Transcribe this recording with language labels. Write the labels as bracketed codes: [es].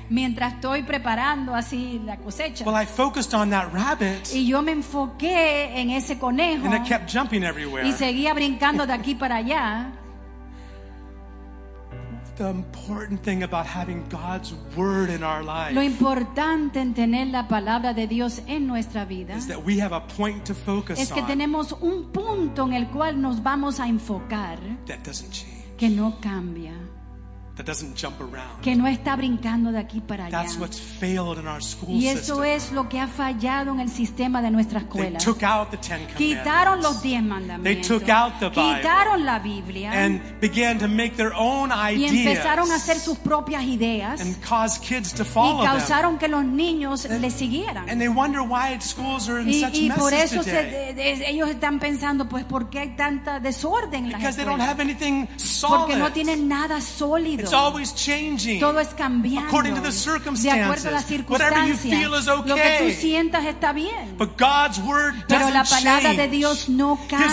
[es] Mientras estoy preparando así la cosecha. [en] Well, I focused on that rabbit. [es] Y yo me enfoqué en ese conejo. [en] And it kept jumping everywhere. [es] Y seguía brincando de aquí para allá. [en] The important thing about having God's word in our lives. [es] Lo importante en tener la palabra de Dios en nuestra vida. [en] Is that we have a point to focus on. [es] Es que tenemos un punto en el cual nos vamos a enfocar. [en] That doesn't change. [es] Que no cambia. [en] That doesn't jump around. [es] Que no está brincando de aquí para allá. [en] That's what's failed in our school system. [es] Y eso es lo que ha fallado en el sistema de nuestra escuela. [en] They took out the Ten Commandments. [es] Quitaron los diez mandamientos. [en] They took out the Bible. [es] Quitaron la Biblia. [en] And began to make their own ideas. [es] Y empezaron a hacer sus propias ideas. [en] And cause kids to follow them. [es] Y causaron que los niños les siguieran. [en] And they wonder why schools are in such messes today. [es] Y por eso ellos están pensando, pues, ¿por qué hay tanta desorden en las escuelas? [en] Because they don't have anything solid. [es] Porque no tienen nada sólido. [en] It's always changing. [es] Todo es cambiando. [en] According to the circumstances. [es] De acuerdo a las circunstancias. [en] Whatever you feel is okay. [es] Lo que tú sientas está bien. [en] But God's word doesn't change. [es] Pero la palabra de Dios no cambia.